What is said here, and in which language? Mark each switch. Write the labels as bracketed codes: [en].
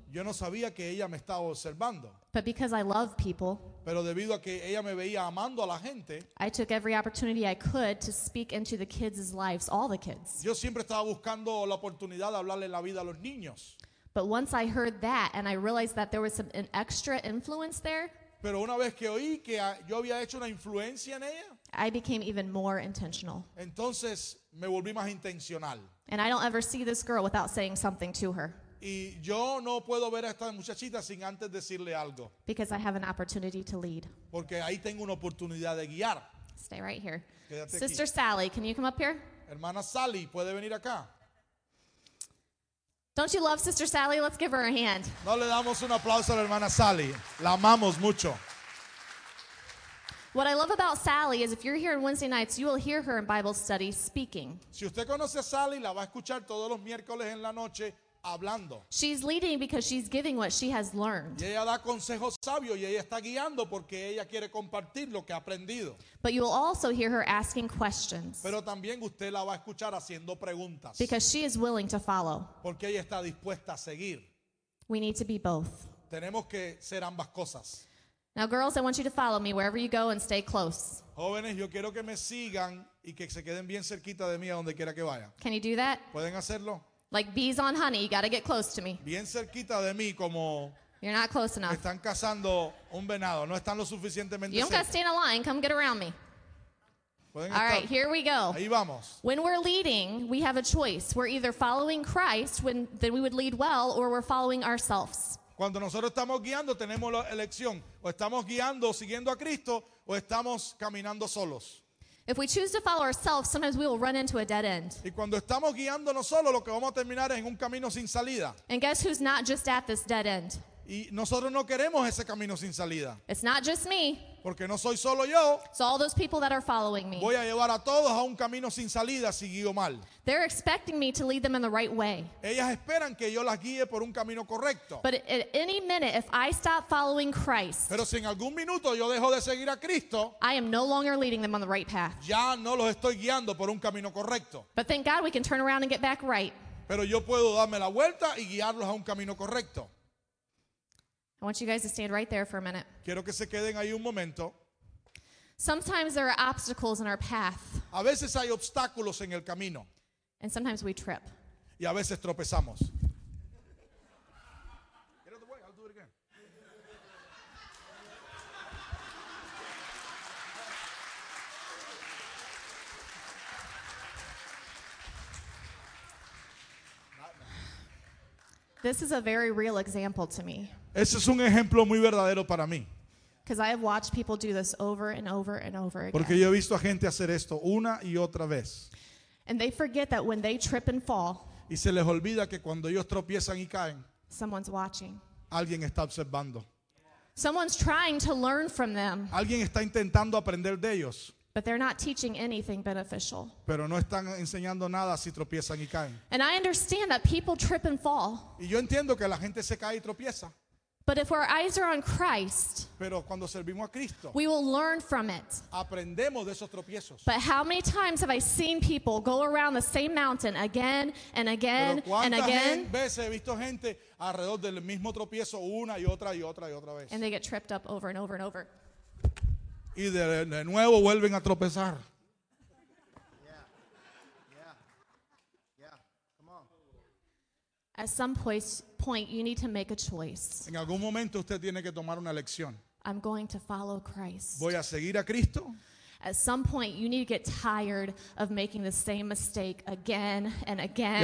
[es] Yo no sabía que ella me estaba observando. [en] But because I love people, [es] pero debido a que ella me veía amando a la gente, [en] I took every opportunity I could to speak into the kids' lives, all the kids. [es] Yo siempre estaba buscando la oportunidad de hablarle la vida a los niños. [en] But once I heard that and I realized that there was an extra influence there, [es] pero una vez que oí que yo había hecho una influencia en ella, [en] I became even more intentional. [es] Entonces, me volví más intencional. [en] And I don't ever see this girl without saying something to her. [es] Y yo no puedo ver a esta muchachita sin antes decirle algo. [en] Because I have an opportunity to lead. [es] Porque ahí tengo una oportunidad de guiar. [en] Stay right here. [es] Quédate [en] Sister [es] aquí. [en] Sally, can you come up here? [es] Hermana Sally, ¿puede venir acá? [en] Don't you love Sister Sally? Let's give her a hand. [es] No le damos un aplauso a la hermana Sally. La amamos mucho. [en] What I love about Sally is if you're here on Wednesday nights, you will hear her in Bible study speaking. [es] Si usted conoce a Sally, la va a escuchar todos los miércoles en la noche hablando. [en] She's leading because she's giving what she has learned. [es] Y ella da consejos sabios y ella está guiando porque ella quiere compartir lo que ha aprendido. [en] But you will also hear her asking questions. [es] Pero también usted la va a escuchar haciendo preguntas. [en] Because she is willing to follow. [es] Porque ella está dispuesta a seguir. [en] We need to be both. [es] Tenemos que ser ambas cosas. [en] Now, girls, I want you to follow me wherever you go and stay close. [es] Jóvenes, yo quiero que me sigan y que se queden bien cerquita de mí a donde quiera que vaya. [en] Can you do that? [es] ¿Pueden hacerlo? [en] Like bees on honey, you got to get close to me. [es] Bien cerquita de mí como... [en] You're not close enough. [es] Están cazando un venado, no están lo suficientemente cerca. [en] You don't got to stay in a line, come get around me. [es] ¿Pueden [en] All [es] estar? [en] Right, here we go. [es] Ahí vamos. [en] When we're leading, we have a choice. We're either following Christ, then we would lead well, or we're following ourselves. [es] Cuando nosotros estamos guiando, tenemos la elección. O estamos guiando, siguiendo a Cristo, o estamos caminando solos. [en] If we choose to follow ourselves, sometimes we will run into a dead end. [es] Y cuando estamos guiándonos solos, lo que vamos a terminar es en un camino sin salida. [en] And guess who's not just at this dead end? [es] Y nosotros no queremos ese camino sin salida. [en] It's not just me. [es] Porque no soy solo yo. [en] It's all those people that are following me. [es] Voy a llevar a todos a un camino sin salida si guío mal. [en] They're expecting me to lead them in the right way. [es] Ellas esperan que yo las guíe por un camino correcto. [en] But at any minute, if I stop following Christ, [es] pero si en algún minuto yo dejo de seguir a Cristo, [en] I am no longer leading them on the right path. [es] Ya no los estoy guiando por un camino correcto. [en] But thank God we can turn around and get back right. [es] Pero yo puedo darme la vuelta y guiarlos a un camino correcto. [en] I want you guys to stand right there for a minute. [es] Quiero que se queden ahí un momento. [en] Sometimes there are obstacles in our path. [es] A veces hay obstáculos en el camino. [en] And sometimes we trip. [es] Y a veces tropezamos. [en] Get out of the way, I'll do it again. This is a very real example to me. [es] Ese es un ejemplo muy verdadero para mí. [en] Because I have watched people do this over and over and over again. [es] Porque yo he visto a gente hacer esto una y otra vez. [en] And they forget that when they trip and fall, [es] y se les olvida que cuando ellos tropiezan y caen, [en] someone's watching. [es] Alguien está observando. [en] Someone's trying to learn from them. [es] Alguien está intentando aprender de ellos. [en] But they're not teaching anything beneficial. [es] Pero no están enseñando nada si tropiezan y caen. [en] And I understand that people trip and fall. [es] Y yo entiendo que la gente se cae y tropieza. [en] But if our eyes are on Christ, [es] pero cuando servimos a Cristo, [en] we will learn from it. [es] Aprendemos de esos tropiezos. [en] But how many times have I seen people go around the same mountain again and again [es] pero cuántas [en] and again? [es] Veces he visto gente alrededor del mismo tropiezo una y otra y otra y otra vez. [en] And they get tripped up over and over and over. [es] Y de nuevo vuelven a tropezar. [en] At some point, you need to make a choice. [es] En algún momento usted tiene que tomar una elección. [en] I'm going to follow Christ. [es] Voy a seguir a Cristo. [en] At some point, you need to get tired of making the same mistake again and again.